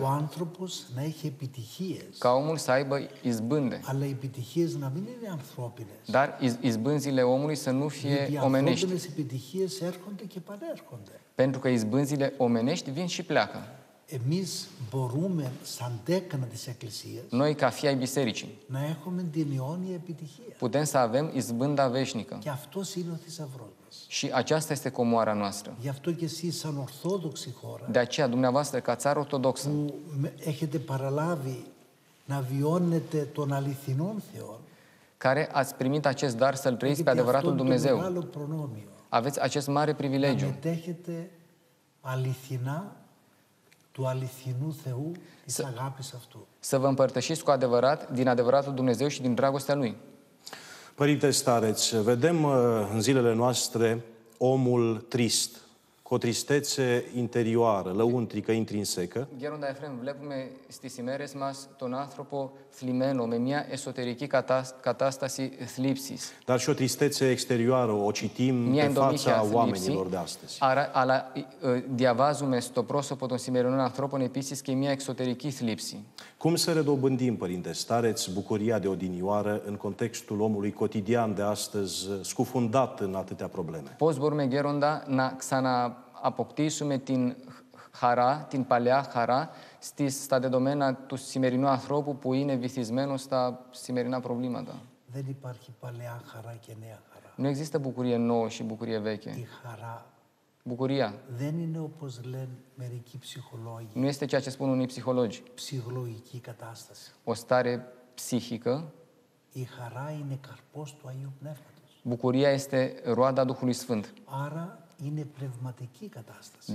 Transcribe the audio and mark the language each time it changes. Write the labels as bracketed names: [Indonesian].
[Greek] Ο άνθρωπος να έχει επιτυχίες. [Romanian] Ca omul să aibă izbânde. [Greek] Αλλά οι επιτυχίες να μην είναι ανθρώπινες. [Romanian] Dar izbânzile omului să nu fie omenești. [Greek] Γιατί οι επιτυχίες έρχονται και παρέρχονται. [Romanian] Pentru că izbânzile omenești vin și pleacă. [Greek] Εμείς μπορούμε σαν τέκνα της Εκκλησίας. [Romanian] Noi ca fii ai Bisericii. [Greek] Να έχουμε την αιώνια επιτυχία. [Romanian] Putem să avem izbânda veșnică. [Greek] Και αυτός είναι ο θησαυρός. [Romanian] Și aceasta este comoara noastră. [Greek] Γι' αυτό και εσείς σαν ορθόδοξη χώρα. [Romanian] De aceea, dumneavoastră, ca țară ορθόδοξă. [Greek] Που έχετε παραλάβει να βιώνετε τον αληθινόν Θεό. [Romanian] Care ați primit acest dar să-L trăiți pe adevăratul Dumnezeu. Aveți acest mare privilegiu. [Greek] Να μετέχετε αληθινά του αληθινού Θεού της αγάπης αυτού. [Romanian] Să vă împărτășiți cu adevărat din adevăratul Dumnezeu și din dragostea Lui. Părinte Stareț, vedem în zilele noastre omul trist, cu o tristețe interioară, lăuntrică, intrinsecă. [Greek] Γέροντα Εφραίμ, βλέπουμε στις ημέρες μας τον άνθρωπο θλιμμένο με μια εσωτερική κατάσταση θλίψης. [Romanian] Dar și o tristețe exterioară o citim pe fața oamenilor de astăzi. [Greek] Αλλά διαβάζουμε στο πρόσωπο των σημερινών ανθρώπων επίσης και μια εξωτερική θλίψη. [Romanian] Cum să redobândim, Părinte Stareț, bucuria de odinioară în contextul omului cotidian de astăzi, scufundat în atâtea probleme? [Greek] Πώς μπορούμε, Γέροντα, να ξανααποκτήσουμε την χαρά, την παλιά χαρά, στα δεδομένα του σημερινού ανθρώπου που είναι βυθισμένο στα σημερινά προβλήματα? Δεν υπάρχει παλιά χαρά και νέα χαρά. [Romanian] Δεν υπάρχει μπουκουρία νόου και μπουκουρία βέκαι. [Greek] Η χαρά [Romanian] Bucuria. [Greek] Δεν είναι όπως λένε μερικοί ψυχολόγοι. [Romanian] Nu este ceea ce spun unii psihologi. [Greek] Ψυχολογική κατάσταση. [Romanian] O stare psihică. [Greek] Η χαρά είναι καρπός του Αγίου Πνεύματος. [Romanian] Bucuria este roada Duhului Sfânt. [Greek] Άρα είναι πνευματική κατάσταση.